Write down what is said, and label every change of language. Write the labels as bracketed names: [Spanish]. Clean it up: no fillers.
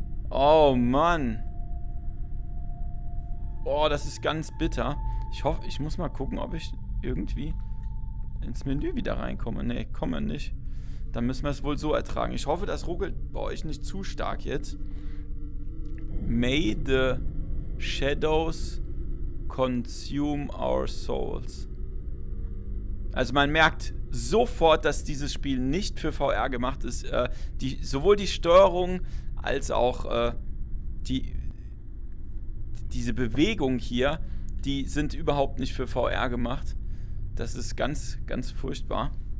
[German] Oh Mann! Boah, das ist ganz bitter. Ich hoffe, ich muss mal gucken, ob ich irgendwie ins Menü wieder reinkommen. Ne, kommen wir nicht. Dann müssen wir es wohl so ertragen. Ich hoffe, das ruckelt bei euch nicht zu stark jetzt. [English] May the shadows consume our souls. [German] Also man merkt sofort, dass dieses Spiel nicht für VR gemacht ist. Sowohl die Steuerung als auch diese Bewegung hier, die sind überhaupt nicht für VR gemacht. Das ist ganz, ganz furchtbar.